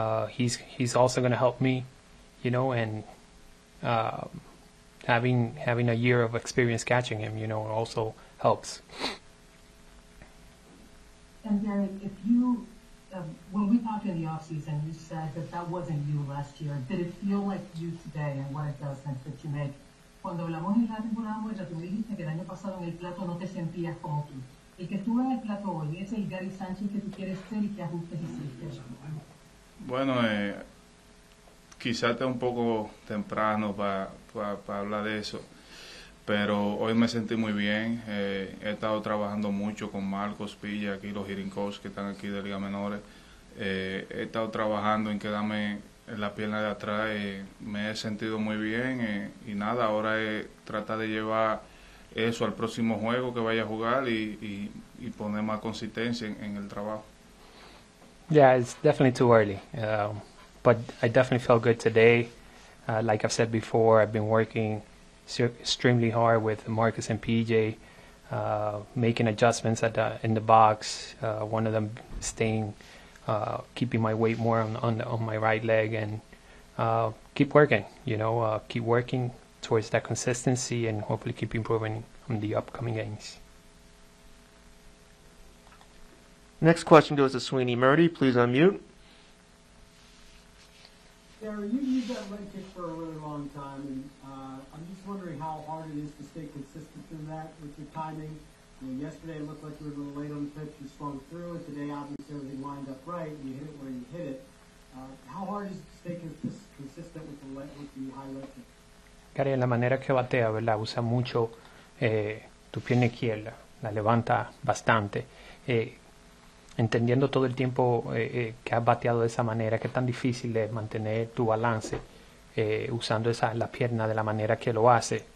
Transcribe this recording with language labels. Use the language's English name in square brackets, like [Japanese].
[English] He's also going to help me, and having a year of experience catching him, also helps. And Gary, if you, when we talked in the offseason, you said that that wasn't you last year. Did it feel like you today and what adjustments did you make? [Spanish] Cuando hablamos en la temporada muerta, tú me dijiste que el año pasado en el plato no te sentías como tú. El que estuvo en el plato hoy es el Gary Sánchez que tú quieres ser y qué ajustes hiciste. Bueno, quizás esté un poco temprano para hablar de eso, pero hoy me sentí muy bien. He estado trabajando mucho con Marcos Pilla aquí, los hitting coaches que están aquí de Liga Menores. He estado trabajando en quedarme en la pierna de atrás. Me he sentido muy bien, y nada, ahora trata de llevar eso al próximo juego que vaya a jugar y poner más consistencia en el trabajo. [English] Yeah, it's definitely too early, but I definitely felt good today. Like I've said before, I've been working extremely hard with Marcus and PJ, making adjustments in the box. One of them staying, keeping my weight more on my right leg, and keep working. Keep working towards that consistency, and hopefully keep improving in the upcoming games. Next question goes to Sweeney Murdy. Please unmute. Gary, you've used that leg kick for a really long time, and I'm just wondering how hard it is to stay consistent in that with your timing. Yesterday it looked like you were a little late on the pitch, you swung through, and today obviously everything lined up right, and you hit it where you hit it. How hard is it to stay consistent with the high leg kick? [Spanish] Gary, en la manera que batea, ¿verdad? Usa mucho tu pierna izquierda, la levanta bastante. Entendiendo todo el tiempo que has bateado de esa manera, qué tan difícil es mantener tu balance usando la pierna de la manera que lo hace.